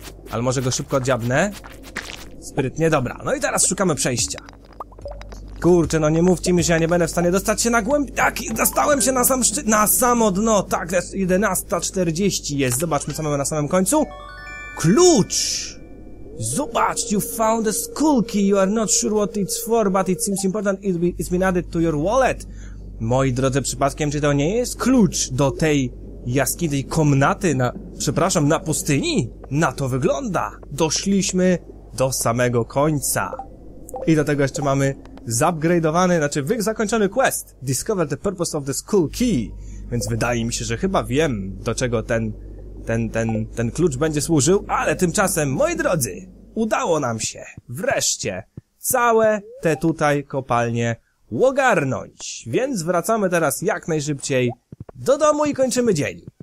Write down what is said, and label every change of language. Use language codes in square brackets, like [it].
[pl] Ale może go szybko dziabnę? Sprytnie, dobra. No i teraz szukamy przejścia. Kurczę, no nie mówcie mi, że ja nie będę w stanie dostać się na głęb... Tak, dostałem się na sam szczyt... Na samo dno! Tak, 11:40 jest. Zobaczmy, co mamy na samym końcu. Klucz! Zobacz, [en] you found a school key. You are not sure what it's for, but it seems important. It's been added to your wallet. [pl] Moi drodzy, przypadkiem, czy to nie jest klucz do tej... jaskini, tej komnaty na... Przepraszam, na pustyni? Na to wygląda! Doszliśmy do samego końca. I do tego jeszcze mamy zupgrade'owany, znaczy zakończony quest. [en] Discover the purpose of the school key. [pl] Więc wydaje mi się, że chyba wiem, do czego ten klucz będzie służył. Ale tymczasem, moi drodzy, udało nam się wreszcie całe te tutaj kopalnie ogarnąć. Więc wracamy teraz jak najszybciej do domu i kończymy dzień.